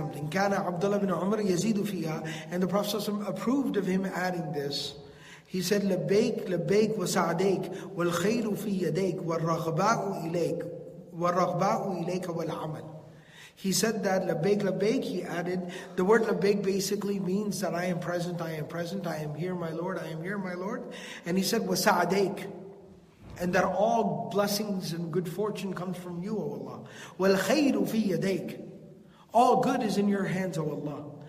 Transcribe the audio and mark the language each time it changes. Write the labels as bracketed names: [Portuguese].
[Arabic] Kana Abdullah bin Umar yazidu fiha, [English] and the Prophet approved of him adding this. He said, [Arabic] لبيك لبيك وسعديك والخير في يديك والرغباء إليك والرغباء إليك والعمل. [English] He said that, [Arabic] لبيك لبيك, [English] he added, the word لبيك basically means that I am present, I am present, I am here, my Lord, I am here, my Lord. And he said, [Arabic] وسعديك, [English] and that all blessings and good fortune comes from you, O Allah. [Arabic] والخير في يديك, [English] all good is in your hands, O Allah.